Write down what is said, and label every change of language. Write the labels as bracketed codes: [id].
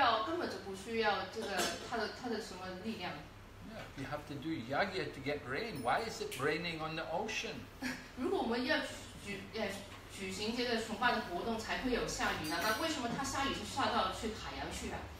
[zh] 这是他说，你爸爸你全都错了。这些雨啊下到这个海洋里面啊，他们不需要，根本就不需要这个他的什么力量。 [en] Yeah, you have to do yagya to get rain. Why is it raining on the ocean? [zh] 如果我们要举行这个崇拜的活动，才会有下雨呢。那为什么他下雨是下到去海洋去啊？